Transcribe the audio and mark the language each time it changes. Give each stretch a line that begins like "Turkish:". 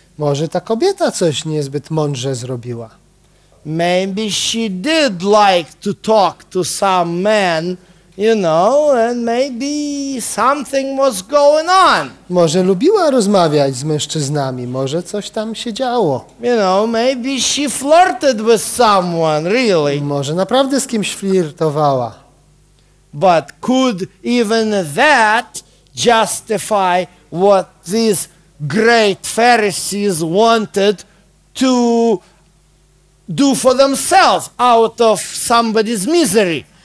Polish: Może ta kobieta coś niezbyt mądrze zrobiła.
English: Maybe she did like to talk to some man You know, and maybe something was going on.
Polish: Może lubiła rozmawiać z mężczyznami, może coś tam się działo.
English: You know, maybe she flirted with someone, really.
Polish: Może naprawdę z kimś flirtowała.
English: But could even that justify what these great Pharisees wanted to do for themselves out of somebody's misery?